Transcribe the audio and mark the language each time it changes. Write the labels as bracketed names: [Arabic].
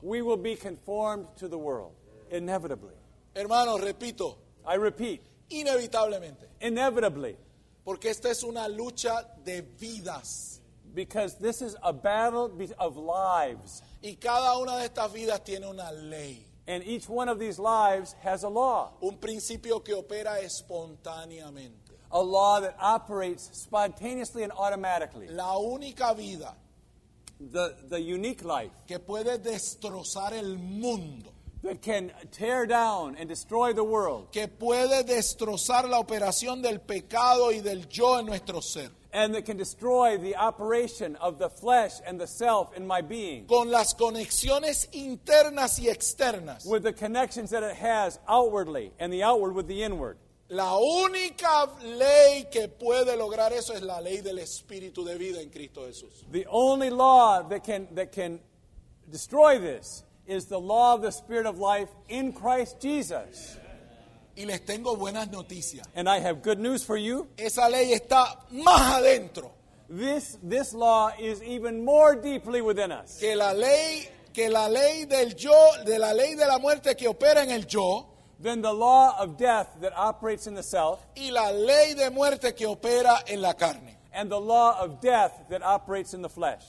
[English] We will be conformed to the world, inevitably. [Spanish] Hermano, repito. [English] I repeat. [Spanish] Inevitablemente. [English] Inevitably. [Spanish] Porque esta es una lucha de vidas. [English] Because this is a battle of lives. [Spanish] Y cada una de estas vidas tiene una ley. [English] And each one of these lives has a law. [Spanish] Un principio que opera espontáneamente. [English] A law that operates spontaneously and automatically. [Spanish] La única vida. [English] The unique life. [Spanish] Que puede destrozar el mundo. [English] That can tear down and destroy the world. [Spanish] Que puede destrozar la operación del pecado y del yo en nuestro ser. [English] And that can destroy the operation of the flesh and the self in my being. [Spanish] Con las conexiones internas y externas. [English] With the connections that it has outwardly and the outward with the inward. [Spanish] La única ley que puede lograr eso es la ley del Espíritu de vida en Cristo Jesús. [English] The only law that can destroy this is the law of the Spirit of life in Christ Jesus. [Spanish] Y les tengo buenas noticias. [English] And I have good news for you. [Spanish] Esa ley está más adentro. [English] This law is even more deeply within us. [Spanish] Que la ley del yo, de la ley de la muerte que opera en el yo. [English] Than the law of death that operates in the self. [Spanish] Y la ley de muerte que opera en la carne. [English] And the law of death that operates in the flesh.